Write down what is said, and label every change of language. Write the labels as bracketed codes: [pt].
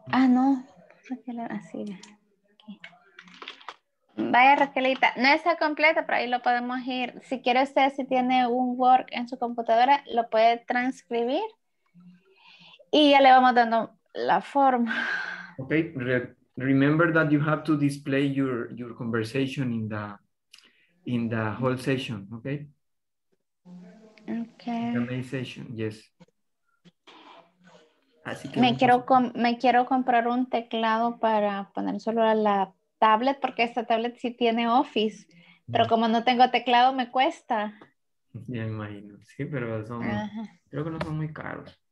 [es] No. Raquel, así. Okay. Vaya, Raquelita. No está completa, pero ahí lo podemos ir. Si quiere usted, si tiene un Word en su computadora, lo puede transcribir. Y ya le vamos dando la forma. [en] Ok. Remember that you have to display your conversation in the whole session, okay? Okay. The main session, yes. [es] Así que me quiero comprar un teclado para poner solo a la tablet, porque esta tablet sí tiene Office, pero como no tengo teclado, me cuesta. Ya me imagino, sí, pero son, creo que no son muy caros.